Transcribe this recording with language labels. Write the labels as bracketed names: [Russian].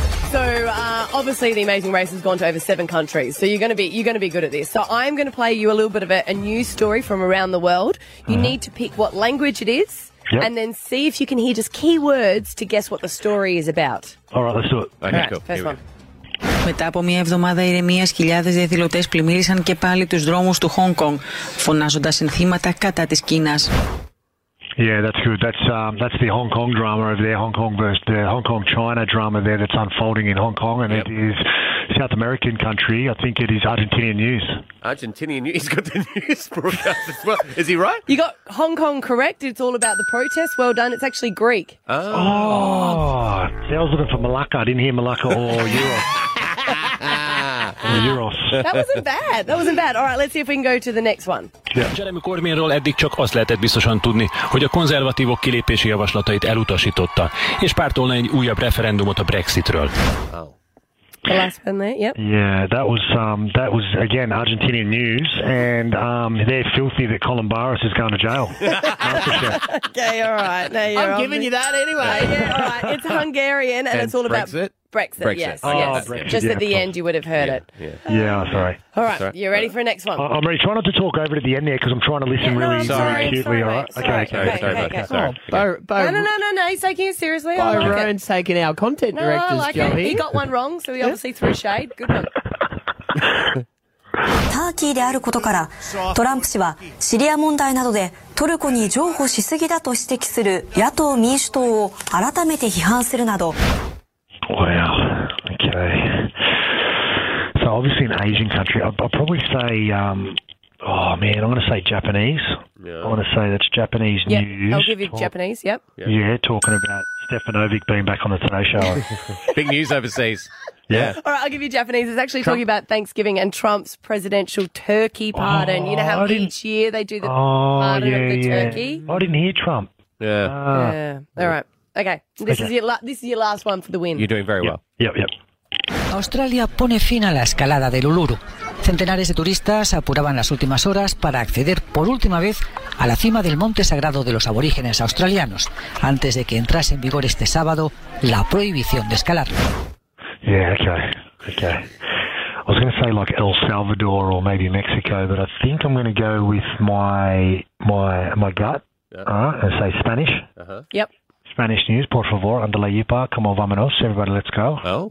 [English] So, obviously, The Amazing Race has gone to over 7 countries, so you're going to be good at this. So I'm going to play you a little bit of a news story from around the world. You need to pick what language it is and then see if you can hear just key words to guess what the story is about. All right, let's do it. Okay, right, cool. First one. [Greek] Μετά από μια εβδομάδα ηρεμίας, χιλιάδες διαδηλωτές πλημμύρισαν και πάλι τους δρόμους του Χονγκ Κονγκ, φωνάζοντας συνθήματα κατά της Κίνας. [English] Yeah, that's good. That's the Hong Kong drama over there, Hong Kong versus the Hong Kong China drama there that's unfolding in Hong Kong, and it is South American country. I think it is Argentinian news. Argentinian news. He's got the news broadcast as well. Is he right? You got Hong Kong correct. It's all about the protest. Well done. It's actually Greek. Oh. I was looking for Malacca. I didn't hear Malacca or Euros. That wasn't bad. All right, let's see if we can go to the next one. Yeah. [Hungarian] Jeremy Corbynról eddig csak azt lehetett biztosan tudni, hogy a konzervatívok kilépési javaslatait elutasította, és pártolna egy újabb referendumot a Brexitről. [English] The last one there, yep. Yeah, that was again Argentinian news, and they're filthy that Colin Baris is going to jail. Okay, all right. I'm giving you that anyway. Yeah, all right. It's Hungarian, and it's all Brexit? About Brexit. Yes. Oh, yes. Brexit. Just at the end, you would have heard it. Yeah. Sorry. All right. You ready for the next one? I'm ready. Try not to talk over to the end there because I'm trying to listen really acutely. Sorry, all right. Sorry. Okay. No. He's taking it seriously. Byron's taking our content director's job. He got one wrong, so he obviously threw shade. Good one. [Japanese] ターキーであることから、トランプ氏はシリア問題などでトルコに譲歩しすぎだと指摘する野党民主党を改めて批判するなど。 [English] Wow. Okay. So obviously an Asian country. I'll probably say, oh man, I'm going to say Japanese. Yeah. I'm going to say that's Japanese news. I'll give you Japanese. Yep. Yeah, talking about Stefanovic being back on the Today Show. Big news overseas. Yeah. All right, I'll give you Japanese. It's actually talking about Thanksgiving and Trump's presidential turkey pardon. Oh, you know how each year they do the pardon of the turkey? I didn't hear Trump. Yeah. All right. Okay. This is your last one for the win. You're doing very well. Yep. [Spanish] Australia pone fin a la escalada del Uluru. Centenares de turistas apuraban las últimas horas para acceder por última vez a la cima del monte sagrado de los aborígenes australianos, antes de que entrase en vigor este sábado la prohibición de escalar. [English] Yeah, okay. I was going to say like El Salvador or maybe Mexico, but I think I'm going to go with my gut and say Spanish. Uh-huh. Yep. Spanish news, [Spanish] por favor, andale yipa, como vamanos, [English] everybody let's go. Oh.